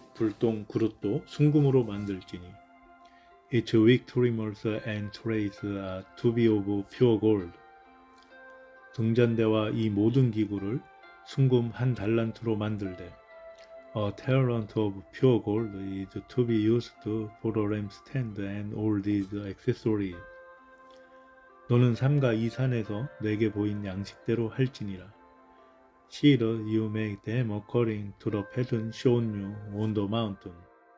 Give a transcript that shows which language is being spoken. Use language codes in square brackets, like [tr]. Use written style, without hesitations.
[ko] 불똥 그릇도 순금으로 만들지니. [en] Its victims and trays are to be of pure gold. [ko] 등잔대와 이 모든 기구를 순금 한 달란트로 만들되. [en] A talent of pure gold is to be used for a lampstand and all these accessories. [ko] 너는 삼가 이 산에서 내게 보인 양식대로 할지니라. [en] See that you make them according to the pattern shown you on the mountain.